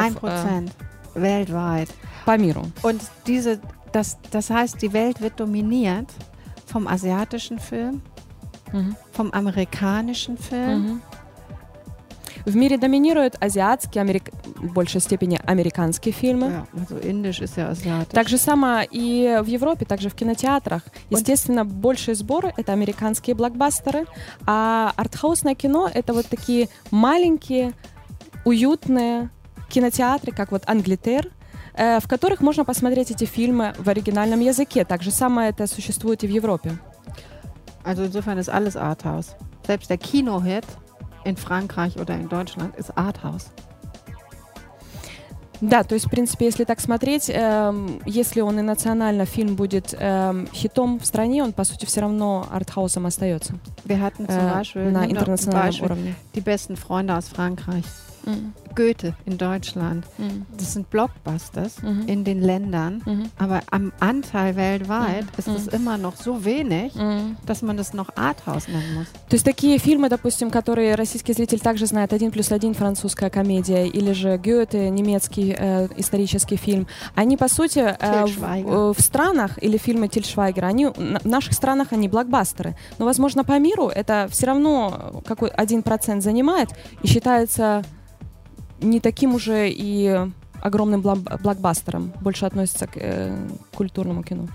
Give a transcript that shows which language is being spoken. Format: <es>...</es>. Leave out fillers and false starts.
<de>1% weltweit.</de> <ru>По миру.</ru> <de>Und diese, das heißt, die Welt wird dominiert vom asiatischen Film, mhm. vom amerikanischen Film. Mhm.</de> <ru>В мире доминируют азиатские, в большей степени американские фильмы.</ru> <de>Ja, also indisch ist ja asiatisch.</de> <ru>Так же само и в Европе, также в кинотеатрах.</ru> <de>Und</de> <ru>естественно, большие сборы — это американские блокбастеры, а артхаусное кино — это вот такие маленькие, уютные кинотеатры, как вот Англитер, в которых можно посмотреть эти фильмы в оригинальном языке. Так же самое это существует и в Европе.</ru> <de>Also insofern ist alles Arthouse. Selbst der Kino-Hit in Frankreich oder in Deutschland ist Arthouse.</de> <ru>Да, то есть, в принципе, если так смотреть, если он и национально фильм будет хитом в стране, он, по сути, все равно артхаусом остается.</ru> <de>Wir hatten zum Beispiel,</de> <ru>на интернациональном</ru> <de>zum Beispiel,</de> <ru>уровне.</ru> <de>Die besten Freunde aus Frankreich. Goethe in Deutschland. Das sind Blockbusters in den Ländern, aber am Anteil weltweit ist es immer noch so wenig, dass man das noch Arthouse nennen muss.</de> <ru>То есть такие фильмы, допустим, которые российский зритель также знает, «Один плюс один» — французская комедия, или же «Goethe» — немецкий исторический фильм, они, по сути, в странах, или фильмы Тильшвайгера, они, в наших странах они блокбастеры. Но, возможно, по миру это все равно какой 1% занимает и считается не таким уже и огромным блокбастером, больше относится к культурному кино.</ru>